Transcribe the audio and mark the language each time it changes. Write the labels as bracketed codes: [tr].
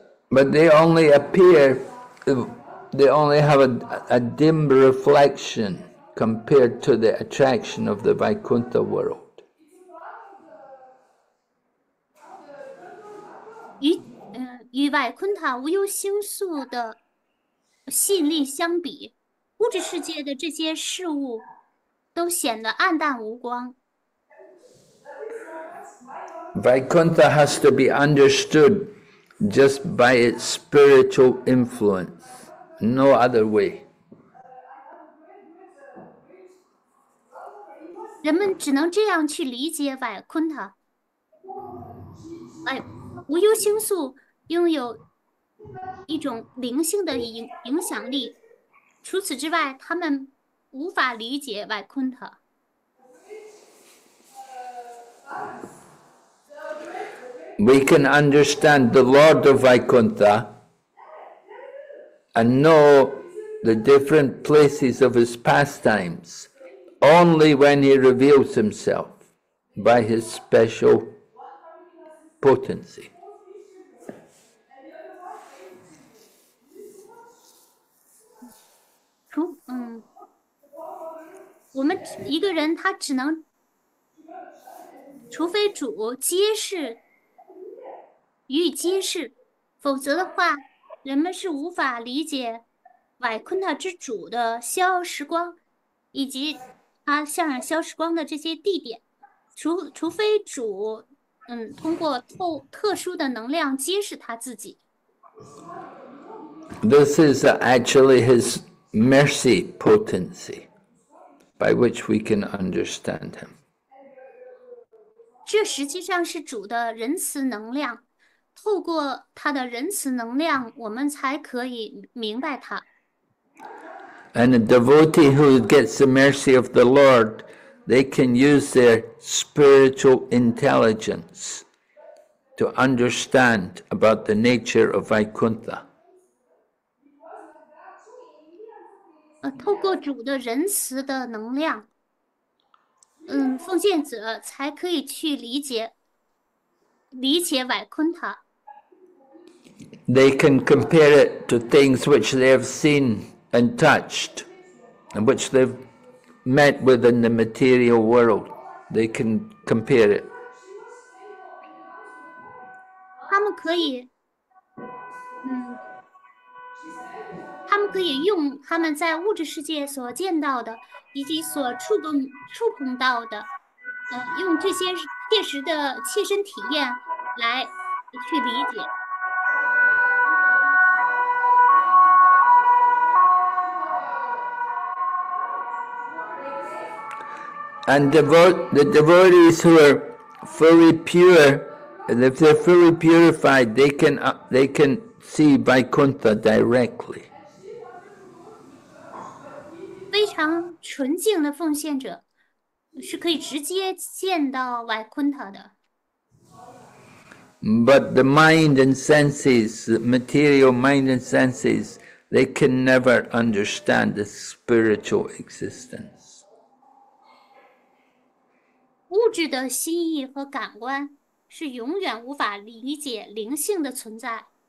[en] But they only appear, they only have a dim reflection compared to the attraction of the Vaikuntha world. [zh] 与外昆塔无忧星宿的吸引力相比，物质世界的这些事物都显得暗淡无光。 [en] Vaikuntha has to be understood just by its spiritual influence, no other way. [zh] 人们只能这样去理解外昆塔，无忧星宿拥有一种灵性的影响力，除此之外，他们无法理解 Vaikuntha。 [en] We can understand the Lord of Vaikuntha and know the different places of his pastimes only when he reveals himself by his special potency. [zh] 我们一个人他只能，除非主揭示，予以揭示，否则的话，人们是无法理解瓦昆塔之主的逍遥时光，以及他向阳逍遥时光的这些地点，除非主，通过特殊的能量揭示他自己。 [en] This is actually his mercy potency by which we can understand him. [zh] 这实际上是主的仁慈能量，透过他的仁慈能量，我们才可以明白他。 [en] And a devotee who gets the mercy of the Lord, they can use their spiritual intelligence to understand about the nature of Vaikuntha. [zh] 透过主的仁慈的能量，奉献者才可以去理解瓦昆塔。 [en] They can compare it to things which they have seen and touched, and which they've met with in the material world. They can compare it. [zh] 他们可以用他们在物质世界所见到的，以及所触碰到的，用这些切身体验来去理解。 [en] And the devotees who are fully pure, and if they're fully purified, they can see Vaikuntha directly. [zh] 非常纯净的奉献者是可以直接见到瓦昆塔的。 [en] But the mind and senses, the material mind and senses, they can never understand the spiritual existence. [zh] 物质的心意和感官是永远无法理解灵性的存在。